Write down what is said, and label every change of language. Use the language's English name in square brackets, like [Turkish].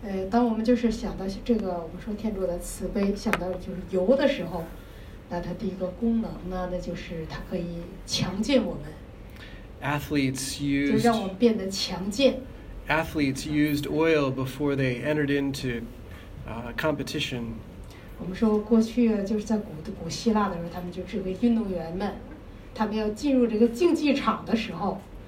[Chinese] 当我们就是想到这个，我们说天主的慈悲，想到就是油的时候，那它第一个功能呢，那就是它可以强健我们。 [English] Athletes used [Chinese] 就让我们变得强健。 [English] Athletes used oil before they entered into competition. [Chinese] 我们说过去就是在古希腊的时候，他们就是个运动员们，他们要进入这个竞技场的时候。